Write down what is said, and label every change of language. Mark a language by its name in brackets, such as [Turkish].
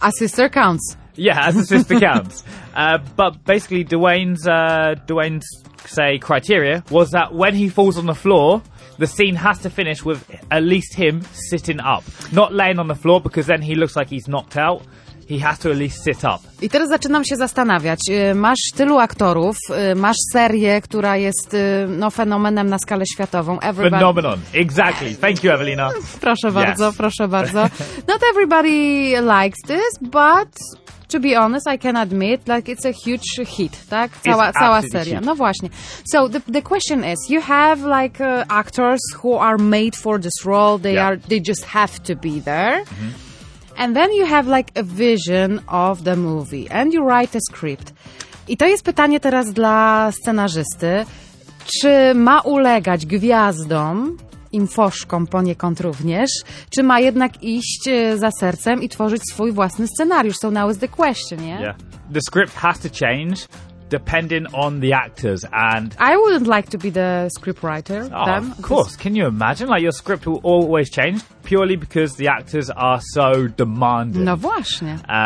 [English] A sister counts. Yeah, as a sister counts. But basically, Dwayne's say, criteria was that when he falls on the floor, the scene has to finish with at least him sitting up. Not laying on the floor, because then he looks like he's knocked out. He has to at least sit up. [Polish] I teraz zaczynam się zastanawiać. Masz tylu aktorów, masz serię, która jest no, fenomenem na skalę światową. [English] Everybody... Phenomenon, exactly. Thank you, Evelina. [Polish] Proszę bardzo, [English] yes. [Polish] proszę bardzo. [English] Not everybody likes this, but... To be honest, I can admit, like, it's a huge hit, [Polish] tak? Cała seria. [English] Huge. [Polish] No właśnie. [English] So, the question is, you have, like, actors who are made for this role. They yeah. are, they just have to be there. Mm-hmm. And then you have, like, a vision of the movie. And you write a script. [Polish] I to jest pytanie teraz dla scenarzysty. Czy ma ulegać gwiazdom, infoszkom poniekąd również, czy ma jednak iść za sercem i tworzyć swój własny scenariusz? [English] So now is the question, yeah? Yeah. The script has to change depending on the actors and... I wouldn't like to be the scriptwriter. Oh, them. Of course. Can you imagine? Like, your script will always change purely because the actors are so demanding. [Polish] No właśnie.